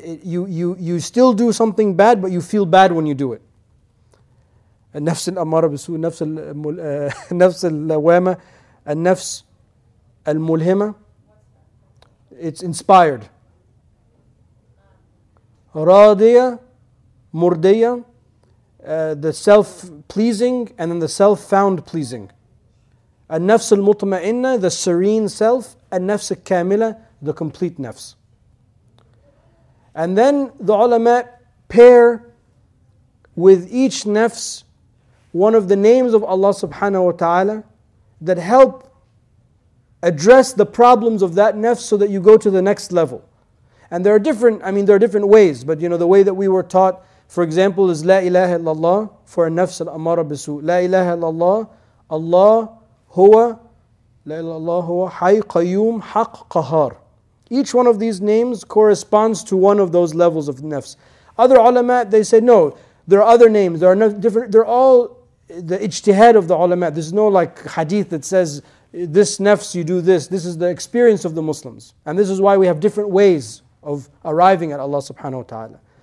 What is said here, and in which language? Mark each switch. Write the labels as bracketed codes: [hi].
[en] You still do something bad, but you feel bad when you do it. [ar] النفس الأمارة بالسوء, النفس اللوامة, النفس الملهمة. [en] It's inspired. [ar] راضية, مرضية, [en] the self pleasing and then the self found pleasing. [ar] النفس المطمئنة, [en] the serene self. [ar] النفس الكاملة, [en] the complete nafs. And then the ulama pair with each nafs one of the names of Allah subhanahu wa ta'ala that help address the problems of that nafs so that you go to the next level. And there are different, ways, but you know, the way that we were taught, for example, is [ar] La ilaha illallah [en] for a nafs al-amara bisu. [ar] La ilaha illallah, Allah هو لا إله إلا الله هو حي قيوم حق قهار. [en] Each one of these names corresponds to one of those levels of nafs. Other ulama, they say no, there are other names, there are no different, they're all the ijtihad of the ulama. There's no like hadith that says this nafs you do this. This is the experience of the Muslims, and this is why we have different ways of arriving at Allah subhanahu wa ta'ala.